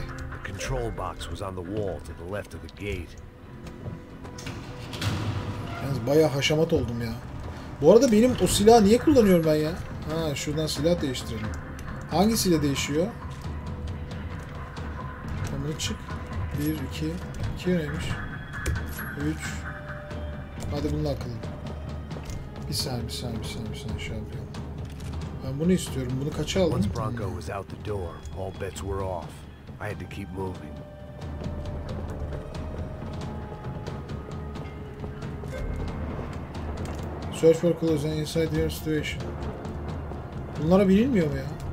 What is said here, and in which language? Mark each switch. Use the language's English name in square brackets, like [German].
[English] The control box was on the wall to the left of the gate. [Turkish] Yalnız bayağı haşamat oldum ya. Bu arada benim o silahı niye kullanıyorum ben ya? Ha şuradan silah değiştirelim. Hangisiyle değişiyor? Tamam çık. 1, 2, 2 neymiş? 3. Hadi bunu akıllı. Bir saniye, bir saniye, bir saniye, bir saniye şampiyon. Ben bunu istiyorum. Bunu kaça aldım? [English] Once Bronco was out the door, all bets were off. I had to keep moving. Search for clues and inside your situation. [Turkish] Bunlara bilinmiyor mu ya?